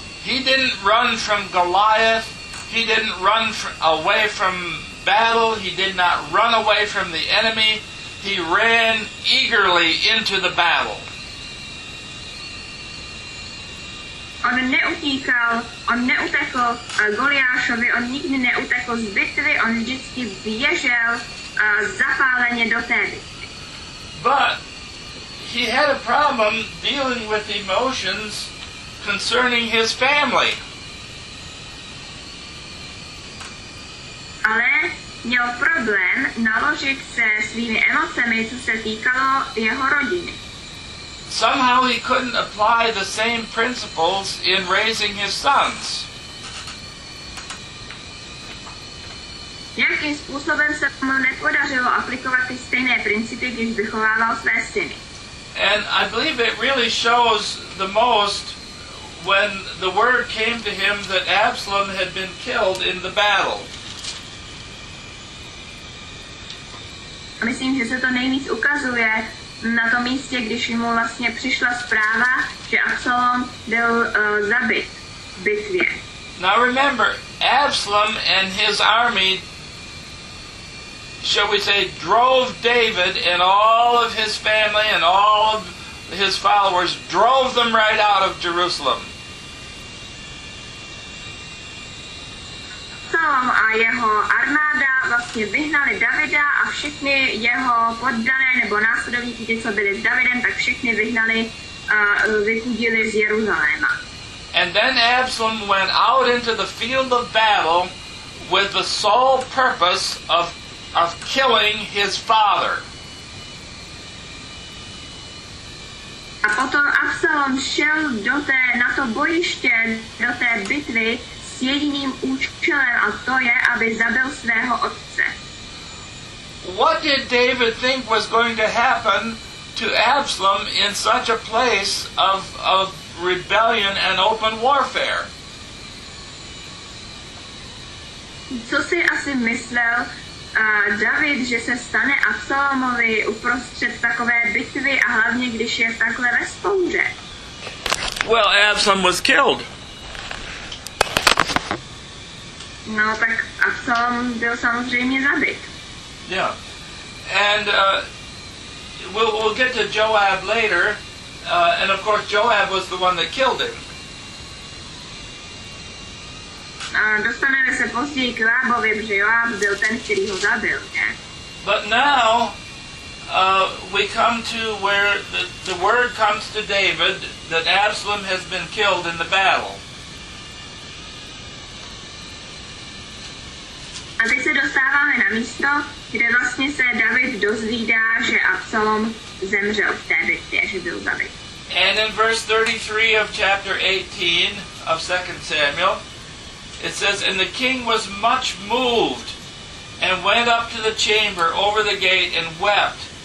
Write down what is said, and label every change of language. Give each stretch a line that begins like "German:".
English: He didn't run from Goliath, he didn't run away from battle, he did not run away from the enemy, he ran eagerly into the battle.
Czech: On neutíkal, on neutekl Goliášovi, on nikdy neutekl z bitvy, on vždycky běžel zapáleně do té bitvy.
English: But he had a problem dealing with emotions concerning his family.
Czech: Ale měl problém naložit se svými emocemi, co se týkalo jeho rodiny.
English: Somehow he couldn't apply the same principles in raising his sons.
Czech: Jakým způsobem se mu nepodařilo aplikovat ty stejné principy, když vychovával své syny?
English: And I believe it really shows the most when the word came to him that Absalom had been killed in the battle.
Czech: A myslím, že se to nejvíc ukazuje na tom místě, když mu vlastně přišla zpráva, že Absalom byl zabit v bitvě.
English: Now remember, Absalom and his army, shall we say, drove David and all of his family and all of his followers, drove them right out of Jerusalem.
Czech: Absalom a jeho armáda vlastně vyhnali Davida a všechny jeho poddané nebo následovníky, co byli s Davidem, tak všechny vyhnali a vyhodili z Jeruzaléma.
English: And then Absalom went out into the field of battle with the sole purpose of killing his father.
Czech: A potom Absalom šel do té, na to bojiště, do té bitvy s jediným účelem, a to je, aby zabil svého otce.
English: What did David think was going to happen to Absalom in such a place of rebellion and open warfare?
Czech: Co si asi myslel David, že se stane Absalomovi uprostřed takové bitvy a hlavně, když je takhle ve spouře?
English: Well, Absalom was killed.
Czech: No, tak Absalom byl samozřejmě zabit.
English: Yeah. And we'll get to Joab later. And of course, Joab was the one that killed him.
Czech: Dostaneme se později k Joabovi, že Joab byl ten, který ho zabil, ne?
English: But now, we come to where the word comes to David that Absalom has been killed in the battle.
Czech: A teď se dostáváme na místo, kde vlastně se David dozvídá, že Absalom zemřel v té bitvě, že byl zabit.
English: And in verse 33 of chapter 18 of 2 Samuel, it says, and the king was much moved and went up to the chamber over the gate and wept.